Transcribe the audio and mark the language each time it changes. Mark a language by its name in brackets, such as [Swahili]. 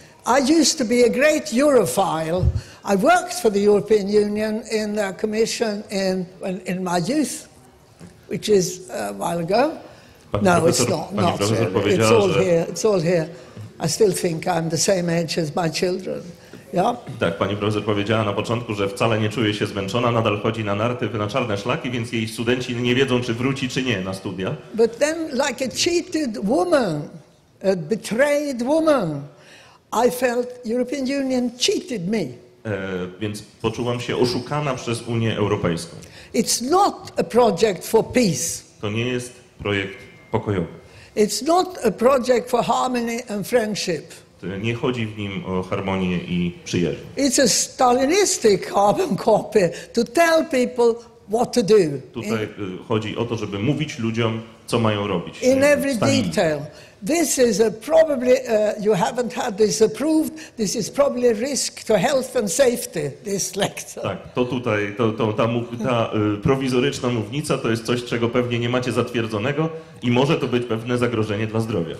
[English] I used to be a great Europhile. I worked for the European Union in their commission in my youth, which is a while ago. No, it's not. Not really. It's all here. It's all here. I still think I'm the same age as my children. Yeah. [Polish] Tak, pani profesor powiedziała na początku, że wcale nie czuje się zmęczona, nadal chodzi na narty, na czarne szlaki, więc jej studenci nie wiedzą, czy wróci, czy nie na studia. [English] But then, like a cheated woman, a betrayed woman, I felt European Union cheated me. [Polish] Więc poczułam się oszukana przez Unię Europejską. [English] It's not a project for peace. [Polish] To nie jest projekt pokojowy. [English] It's not a project for harmony and friendship. [Polish] Nie chodzi w nim o harmonię i przyjaźń. [English] It's a stalinistic carbon copy to tell people what to do. [Polish] Tutaj chodzi o to, żeby mówić ludziom, co mają robić. [English] In every detail. This is a probably you haven't had this approved. This is probably a risk to health and safety. This lecture. [Polish] Tak, to tutaj, ta prowizoryczna mównica, to jest coś, czego pewnie nie macie zatwierdzonego i może to być pewne zagrożenie dla zdrowia.